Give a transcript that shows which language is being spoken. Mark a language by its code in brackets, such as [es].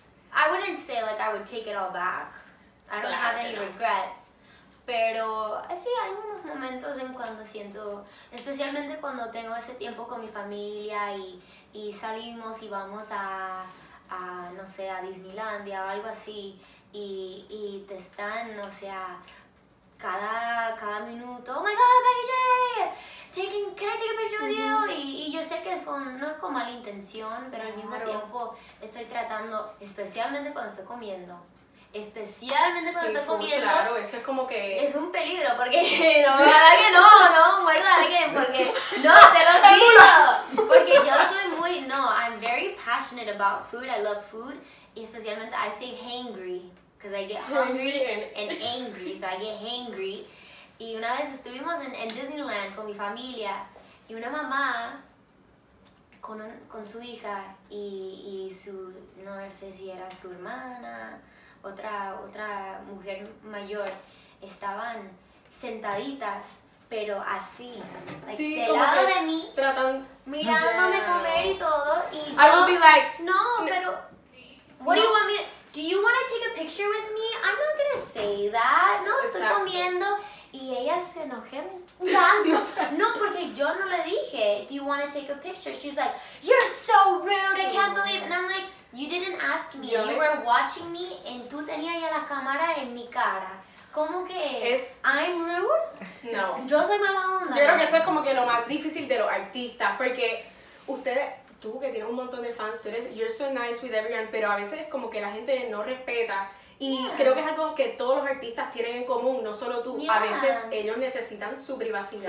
[en] I wouldn't say, like, I would take it all back. I don't have any regrets. [es] Pero, sí, hay unos momentos en cuando siento... Especialmente cuando tengo ese tiempo con mi familia y salimos y vamos a, no sé, a Disneylandia o algo así. Y te están, o sea... Cada minuto, [en] oh my god, Becky, can I take a picture with you? [es] Y yo sé que no es con mala intención, pero al mismo tiempo estoy tratando, especialmente cuando estoy comiendo. Claro, eso es como que... Es un peligro, porque la verdad que no muerdo a alguien, porque... No, te lo digo, porque yo soy muy, [en] I'm very passionate about food, I love food, [es] y especialmente [en] I say hangry. Because I get hungry and angry, so I get hangry. [es] Y una vez estuvimos en Disneyland con mi familia, y una mamá con su hija y su, no sé si era su hermana, otra mujer mayor, estaban sentaditas, pero así, like, sí, del lado de mí, tratan, mirándome comer y todo, y [en] yo, I would be like, [es] no, pero, [en] what no. do you want me to, do you want to take a picture with me? I'm not gonna say that, [es] no, exacto. Estoy comiendo, y ella se enojó tanto, no, porque yo no le dije, [en] do you want to take a picture? She's like, you're so rude, I can't believe, and I'm like, you didn't ask me, yo you were watching me, and [es] tú tenías ya la cámara en mi cara. ¿Cómo que es? [en] ¿I'm rude? [es] No. Yo soy mala onda. Yo creo que eso es como que lo más difícil de los artistas, porque ustedes, tú que tienes un montón de fans, tú eres, [en] you're so nice with everyone, [es] pero a veces como que la gente no respeta, y yeah. creo que es algo que todos los artistas tienen en común, no solo tú. Yeah. A veces ellos necesitan su privacidad.